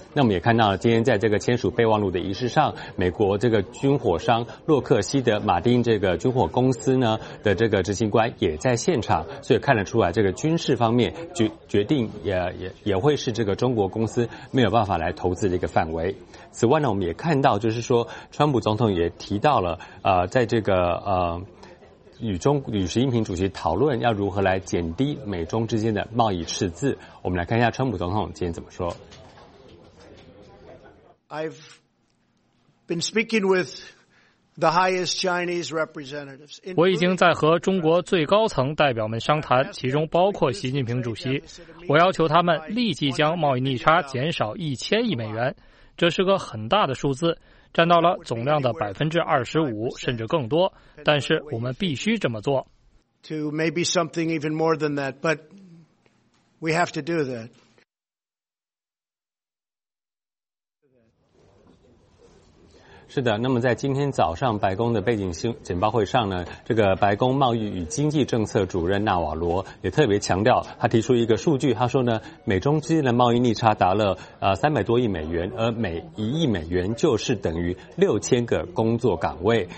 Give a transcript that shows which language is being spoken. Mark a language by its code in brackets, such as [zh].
[zh] 那我们也看到了今天在这个签署备忘录的仪式上，美国这个军火商洛克希德马丁这个军火公司呢的这个执行官也在现场，所以看得出来这个军事方面决定也会是这个中国公司没有办法来投资的一个范围。此外呢，我们也看到就是说川普总统也提到了在这个与习近平主席讨论要如何来减低美中之间的贸易赤字。我们来看一下川普总统今天怎么说。 [en] I've been speaking with the highest Chinese representatives. [zh] 我已经在和中国最高层代表们商谈，其中包括习近平主席。我要求他们立即将贸易逆差减少1000亿美元，这是个很大的数字，占到了总量的25%甚至更多，但是我们必须这么做。 [en] To maybe something even more than that, but we have to do that. [zh] 是的，那么在今天早上白宫的背景简报会上呢，这个白宫贸易与经济政策主任纳瓦罗也特别强调，他提出一个数据，他说呢，美中之间的贸易逆差达了300多亿美元，而每1亿美元就是等于6000个工作岗位。